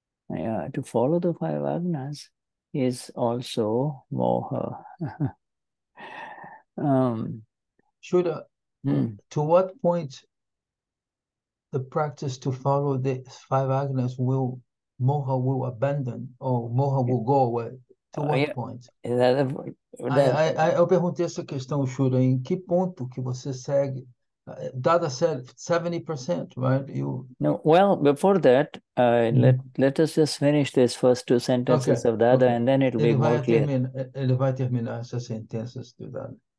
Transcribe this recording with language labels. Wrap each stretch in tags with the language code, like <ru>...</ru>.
<en>Yeah, to follow the five agnas is also moha. Shuddha, to what point the practice to follow the five agnas will moha will abandon or moha will go away? To what point?</en> <pt>Eu perguntei essa questão, Shura, em que ponto que você segue?</pt> <en>Dada 70%, right? No, well, before that, let us just finish these first two sentences of Dada, and then it'll be more clear.</en> <pt>Ele vai terminar essas sentenças do Dada.</pt>